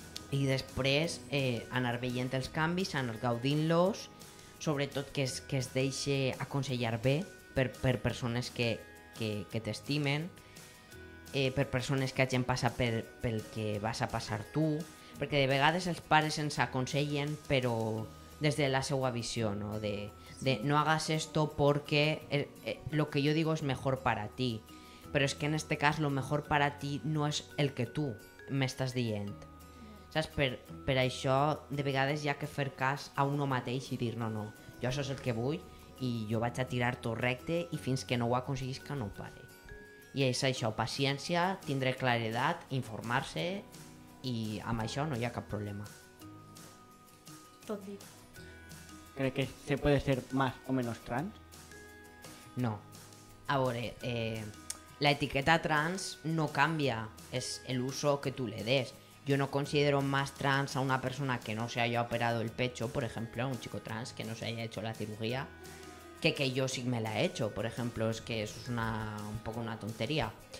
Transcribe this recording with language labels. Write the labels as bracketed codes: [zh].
[ca] i després anar veient els canvis, anar gaudint-los, sobretot que es deixi aconsellar bé per persones que t'estimen, per persones que hagin passat pel que vas a passar tu, perquè de vegades els pares ens aconsellen, però des de la seva visió, no? [es] De no hagas esto porque lo que yo digo es mejor para ti, pero es que en este caso lo mejor para ti no es el que tú me estás dient. [ca] Saps? Per això, de vegades hi ha que fer cas a uno mateix i dir no, jo això és el que vull i jo vaig a tirar tot recte i fins que no ho aconseguisca no ho pare. I és això, paciència, tindre claredat, informar-se i amb això no hi ha cap problema. Tot dit. [es] ¿Crees que se puede ser más o menos trans? No. A veure, la etiqueta trans no cambia, es el uso que tú le des. Yo no considero más trans a una persona que no se haya operado el pecho, por ejemplo, a un chico trans que no se haya hecho la cirugía, que yo sí me la he hecho, por ejemplo, es que eso es un poco una tontería.